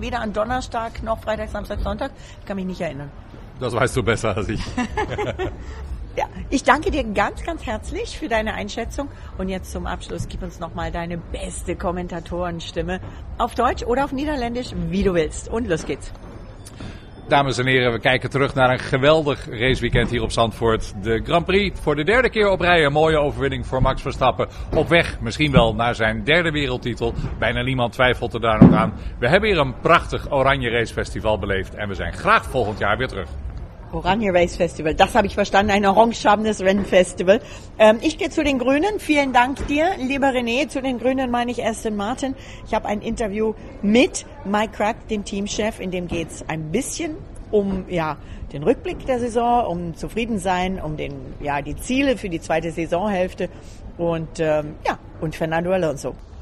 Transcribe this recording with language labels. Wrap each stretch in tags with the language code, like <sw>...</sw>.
<de>Weder an Donnerstag noch Freitag, Samstag, Sonntag? Ich kann mich nicht erinnern. Das weißt du besser als ich. Ja, ich danke dir ganz, ganz herzlich für deine Einschätzung. Und jetzt zum Abschluss, gib uns nochmal deine beste Kommentatorenstimme auf Deutsch oder auf Niederländisch, wie du willst. Und los geht's.</de> <nl>Dames en heren, we kijken terug naar een geweldig raceweekend hier op Zandvoort. De Grand Prix voor de derde keer op rij. Een mooie overwinning voor Max Verstappen. Op weg misschien wel naar zijn derde wereldtitel. Bijna niemand twijfelt er daar nog aan. We hebben hier een prachtig Oranje Racefestival beleefd. En we zijn graag volgend jaar weer terug.</nl> <de>Oranje Race Festival, das habe ich verstanden, ein orangefarbenes Rennfestival. Ich gehe zu den Grünen, vielen Dank dir, lieber René. Zu den Grünen meine ich Aston Martin. Ich habe ein Interview mit Mike Krack, dem Teamchef, in dem geht es ein bisschen um ja den Rückblick der Saison, um Zufriedensein, um den ja die Ziele für die zweite Saisonhälfte und und Fernando Alonso.</de>